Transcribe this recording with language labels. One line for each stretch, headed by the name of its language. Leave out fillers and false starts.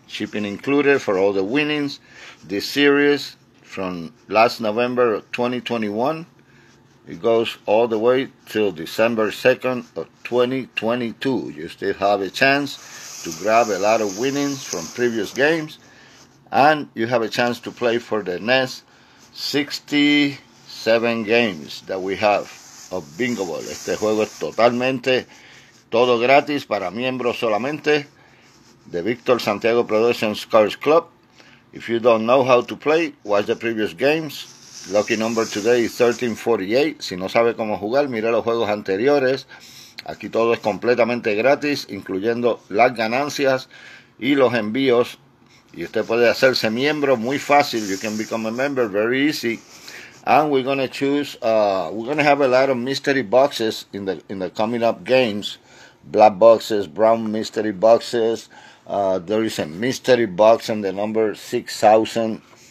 English: Shipping included for all the winnings. This series from last November 2021, it goes all the way till December 2nd of 2022. You still have a chance to grab a lot of winnings from previous games, and you have a chance to play for the next 67 games that we have of Vingoball.
Spanish: Este juego es totalmente todo gratis para miembros solamente de Victor Santiago Productions Cars Club.
English: If you don't know how to play, watch the previous games. Lucky number today is 1348.
Spanish: Si no sabe cómo jugar, mire los juegos anteriores. Aquí todo es completamente gratis, incluyendo las ganancias y los envíos. Y usted puede hacerse miembro muy fácil.
English: You can become a member very easy. And we're going to choose, we're going to have a lot of mystery boxes in the coming up games. Black boxes, brown mystery boxes. There is a mystery box in the number 6,000.